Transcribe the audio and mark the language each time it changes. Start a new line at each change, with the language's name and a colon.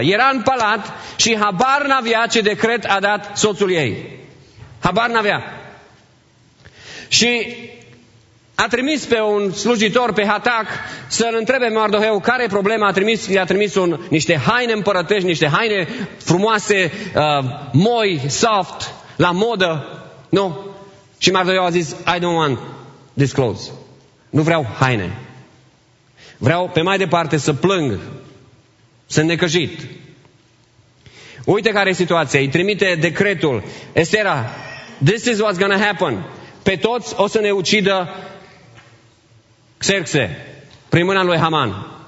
Romanian: Era în palat și habar n-avea ce decret a dat soțul ei. Habar n-avea. Și a trimis pe un slujitor, pe Hatac, să-l întrebe Mardoheu care e problema. I-a trimis niște haine împărătești, niște haine frumoase, moi, soft, la modă. Nu. Și Mardoheu a zis:
English: I don't want this clothes.
Romanian: Nu vreau haine. Vreau pe mai departe să plâng, să necăjit. Uite care e situația. Îi trimite decretul. Estera,
English: this is what's gonna happen.
Romanian: Pe toți o să ne ucidă Xerxe, prin mâna lui Haman.